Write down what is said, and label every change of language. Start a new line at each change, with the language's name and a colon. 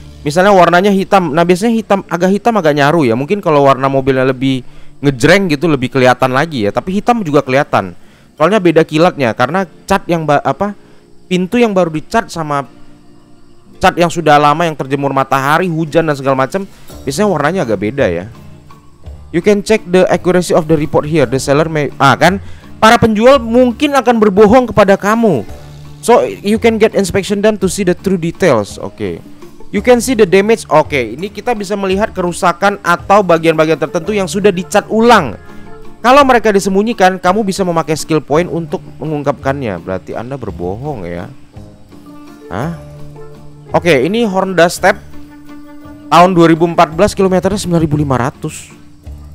Indonesian: Misalnya warnanya hitam, nah biasanya hitam agak nyaru ya. Mungkin kalau warna mobilnya lebih ngejreng gitu lebih kelihatan lagi ya. Tapi hitam juga kelihatan. Soalnya beda kilatnya, karena cat yang pintu yang baru dicat sama cat yang sudah lama yang terjemur matahari, hujan dan segala macam, biasanya warnanya agak beda ya.
English: You can check the accuracy of the report here. The seller may
Indonesian: para penjual mungkin akan berbohong kepada kamu.
English: So you can get inspection done to see the true details. Oke. Okay. You can see the damage.
Indonesian: Oke, ini kita bisa melihat kerusakan atau bagian-bagian tertentu yang sudah dicat ulang. Kalau mereka disembunyikan, kamu bisa memakai skill point untuk mengungkapkannya. Berarti Anda berbohong ya. Hah? Oke, ini Honda Step tahun 2014, kilometernya 9.500.